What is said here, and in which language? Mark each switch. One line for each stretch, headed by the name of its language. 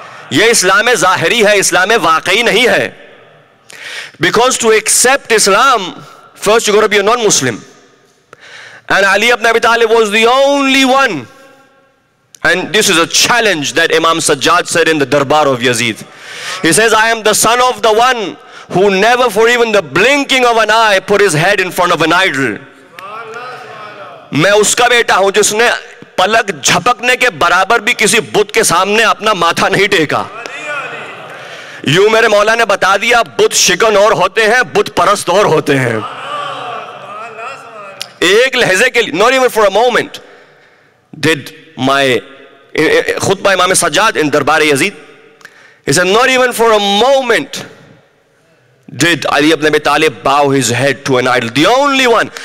Hindi: Ye Islam-e-Zahiri hai, Islam-e-Waqai nahi hai.
English: Because to accept Islam, first you got to be a non-Muslim. And Ali ibn Abi Talib was the only one And this is a challenge that Imam Sajjad said in the Darbar of Yazid. He says, I am the son of the one who never for even the blinking of an eye put his head in front of an idol.
Hindi: मैं उसका बेटा हूं जिसने पलक झपकने के बराबर भी किसी बुत के सामने अपना माथा नहीं टेका. यूं मेरे मौला ने बता दिया, बुत शिकन और होते हैं, बुत परस्त और होते हैं. एक लहजे के लिए,
English: not even for a moment, did my
Hindi: खुतबा इमाम सज्जाद इन दरबार Yazid,
English: he said, not even for a moment did Ali ibn Abi Talib bow his head to an idol. The only one.